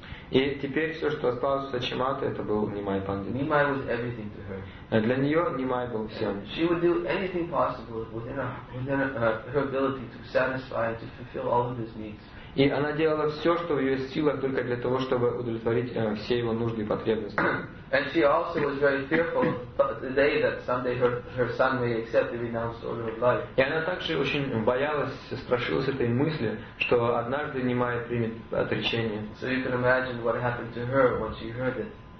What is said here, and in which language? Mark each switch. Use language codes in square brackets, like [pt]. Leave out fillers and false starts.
[ru] И теперь все, что осталось у Сачимата, это был Нимай Пандит. [en] Nimai was everything to her. [ru] Для нее Нимай был всем. [en] She would do anything possible within her ability to satisfy and to fulfill all of his needs. [ru] И она делала все, что в ее силах, только для того, чтобы удовлетворить все его нужды и потребности. [en] And she also was very fearful the day that someday her son may accept the renounced order of life. [ru] И она также очень боялась, страшилась этой мысли, что однажды Нимай примет отречение. [en] So you can imagine what happened to her when she heard it.